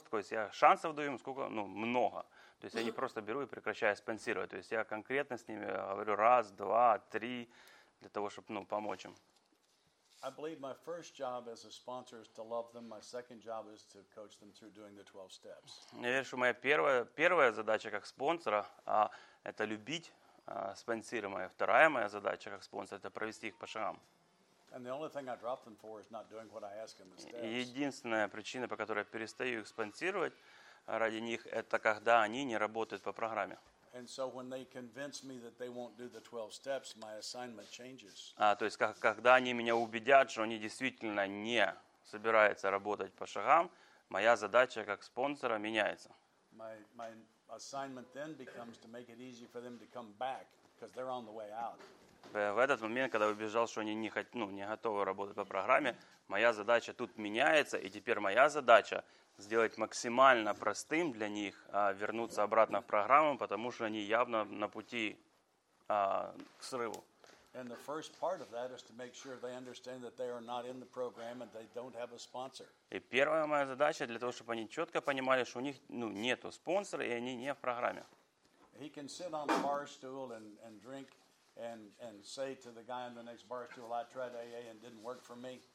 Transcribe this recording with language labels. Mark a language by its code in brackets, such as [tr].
[ru] Я шансов даю им сколько? Ну, много. То есть я не просто беру и прекращаю спонсировать. То есть я конкретно с ними говорю раз, два, три, для того, чтобы помочь им. [en] I believe my first job as a sponsor is to love them. My second job is to coach them through doing the 12 steps. [ru] Я верю, что моя первая задача как спонсора это любить спонсируемое. Вторая моя задача как спонсора это провести их по шагам. [en] And the only thing I drop them for is not doing what I ask in the steps. [ru] Единственная причина, по которой я перестаю их спонсировать ради них, это когда они не работают по программе. [en] And so when they convince me that they won't do the 12 steps, my assignment changes. [ru] То есть когда они меня убедят, что они действительно не собираются работать по шагам, моя задача как спонсора меняется. [en] My assignment then becomes to make it easy for them to come back because they're on the way out. [ru] В этот момент, когда убежал, что они не готовы работать по программе, моя задача тут меняется, и теперь моя задача сделать максимально простым для них вернуться обратно в программу, потому что они явно на пути к срыву. [en] And the first part of that is to make sure they understand that they are not in the program and they don't have a sponsor. [ru] И первая моя задача для того, чтобы они четко понимали, что у них нету спонсора и они не в программе. [en] He can sit on the bar stool and drink and say to the guy on the next bar stool, I tried AA and didn't work for me.